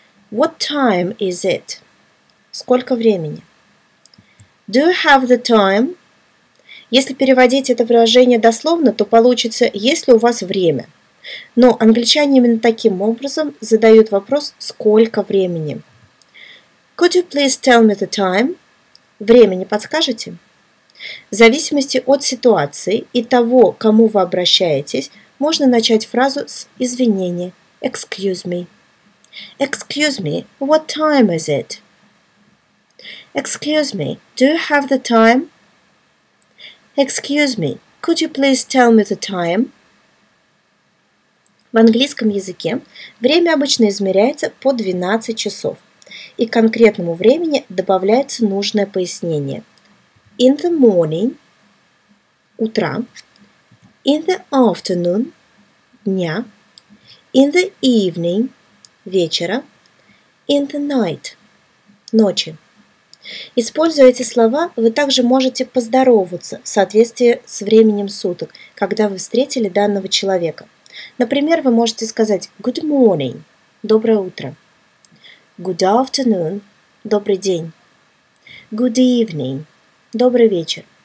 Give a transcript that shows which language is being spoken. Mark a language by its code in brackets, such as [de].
[en] What time is it? [ru] Сколько времени? [en] Do you have the time? [ru] Если переводить это выражение дословно, то получится «Есть ли у вас время?». Но англичане именно таким образом задают вопрос «Сколько времени?». [en] Could you please tell me the time? [ru] Время не подскажете? В зависимости от ситуации и того, к кому вы обращаетесь, можно начать фразу с извинения. [en] Excuse me. Excuse me, what time is it? Excuse me, do you have the time? Excuse me, could you please tell me the time? [ru] В английском языке время обычно измеряется по 12 часов, и к конкретному времени добавляется нужное пояснение. [en] In the morning – [ru] утра, [en] in the afternoon – [ru] дня, [en] in the evening – [ru] вечера, [en] in the night – [ru] ночи. Используя эти слова, вы также можете поздороваться в соответствии с временем суток, когда вы встретили данного человека. Например, вы можете сказать [en] «Good morning» [ru] – «Доброе утро», [en] «Good afternoon» [ru] – «Добрый день», [en] «Good evening» [ru] – «Добрый вечер».